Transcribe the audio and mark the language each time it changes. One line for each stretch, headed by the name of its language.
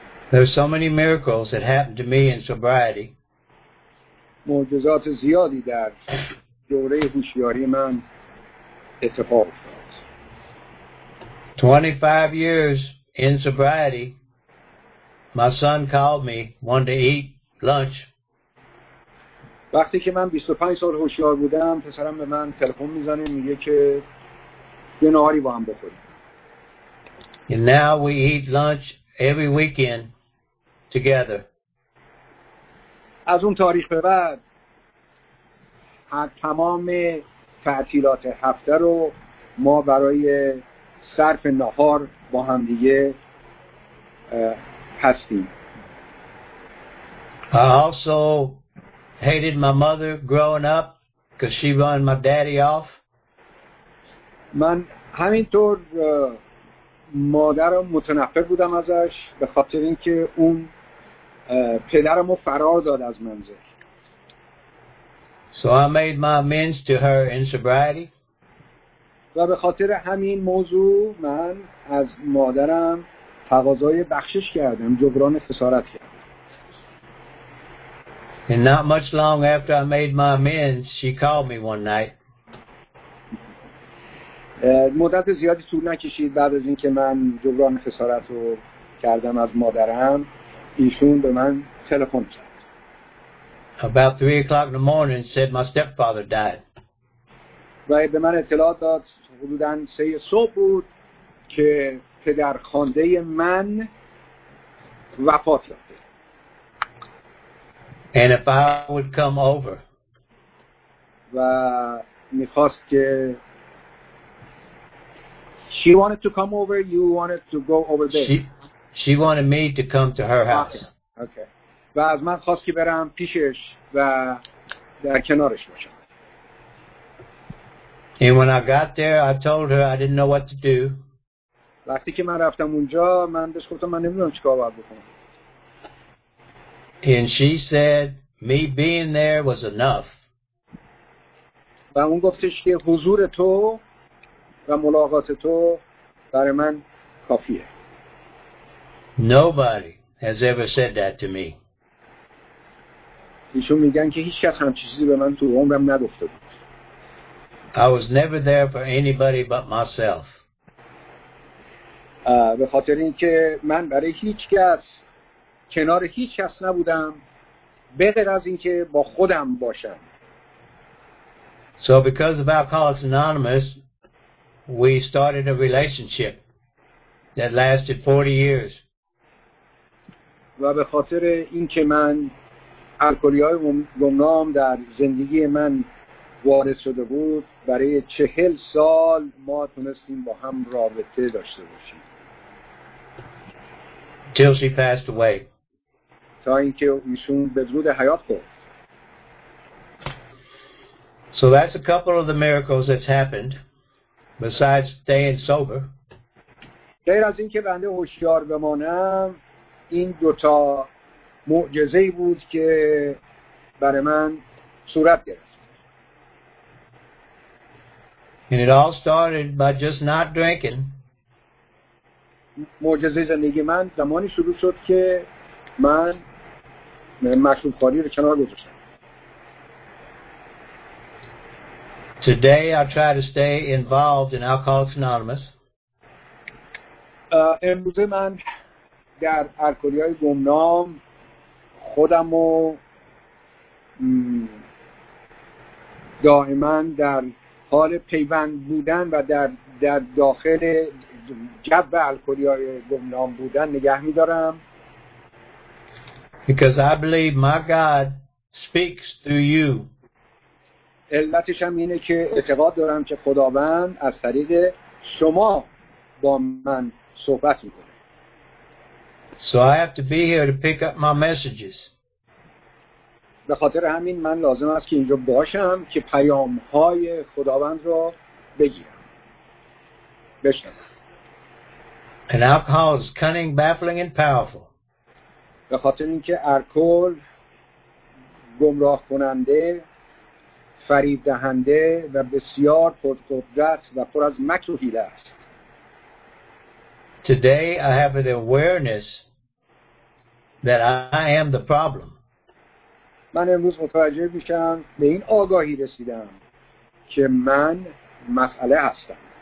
English: There were so many miracles that happened to me in sobriety.
Persian: معجزات زیادی در دوره هوشیاری من اتفاق افتاد.
English: 25 years in sobriety, my son called me wanting to eat lunch.
Persian: وقتی که من 25 سال هوشیار بودم، پسرم به من تلفن میزنه میگه که یه ناهاری با هم بخوریم.
English: And now we eat lunch every weekend together.
Persian: از اون تاریخ به بعد هر تمام تعطیلات هفته رو ما برای صرف ناهار با هم دیگه هستیم.
English: I also hated my mother growing up because she ran my daddy off.
Persian: من همینطور مادرم متنفر بودم ازش به خاطر اینکه اون پدرمو فرار داد از منزل.
English: So I made my amends to her in sobriety.
Persian: و به خاطر همین موضوع من از مادرم تقاضای بخشش کردم، جبران خسارت کردم.
English: And not much long after I made my amends, she called me one night.
Persian: مدت زیادی طول نکشید بعد از اینکه من جبران خسارت رو کردم از مادرم ایشون به من تلفن کرد.
English: About 3 o'clock in the morning said my stepfather died.
Persian: و به من اطلاع داد حدوداً 3 صبح بود که پدرخوانده من وفات یافته.
English: And if I would come over.
Persian: و میخواست که
English: She wanted to come over, you wanted to go over there. She wanted me to come to her house. Okay.
Persian: و از من خواست که برم پیشش و در کنارش باشم.
English: And when I got there, I told her I didn't know what to do.
Persian: وقتی که من رفتم اونجا من بهش گفتم من نمیدونم چیکار باید بکنم.
English: And she said me being there was enough.
Persian: و اون گفتش که حضور تو و ملاقات تو برای من کافیه.
English: Nobody has ever said that to me.
Persian: ایشون میگن که هیچ کس هم چیزی به من تو عمرم نگفته بود.
English: I was never there for anybody but myself.
Persian: به خاطر اینکه من برای هیچ کس کنار هیچ کس نبودم به غیر از اینکه با خودم باشم.
English: So because of Alcoholics Anonymous, we started a relationship that lasted 40 years.
Persian: و به خاطر اینکه من الکلی‌های گمنام در زندگی من وارد شده بود برای 40 سال ما تونستیم با هم رابطه داشته باشیم.
English: Till she passed away.
Persian: تا اینکه ایشون به درود حیات برد.
English: So that's a couple of the miracles that's happened. Besides staying sober.
Persian: غیر از اینکه بنده هوشیار بمانم این دوتا معجزه بود که برای من صورت گرفت.
English: And it all started by just not drinking.
Persian: معجزه زندگی من زمانی شروع شد که من مشروب خوری رو کنار گذاشتم.
English: Today I try to stay involved in Alcoholics Anonymous.
Persian: امروزه من در الکلی‌های گمنام خودمو دائما در حال پیوند بودن و در داخل جو الکلی‌های گمنام بودن نگه می‌دارم.
English: Because I believe my God speaks through you.
Persian: علتش هم اینه که اعتقاد دارم که خداوند از طریق شما با من صحبت میکنه.
English: So I have to be here to pick up my messages.
Persian: به خاطر همین من لازم است که اینجا باشم که پیام های خداوند را بگیرم. بشنوم.
English: And alcohol is cunning, baffling and powerful.
Persian: به خاطر اینکه الکل گمراه کننده فریب دهنده و بسیار پرقدرت و پر از مکر و حیله است.
English: Today I have an awareness that I am the problem.
Persian: من امروز متوجه میشم به این آگاهی رسیدم که من مسئله هستم.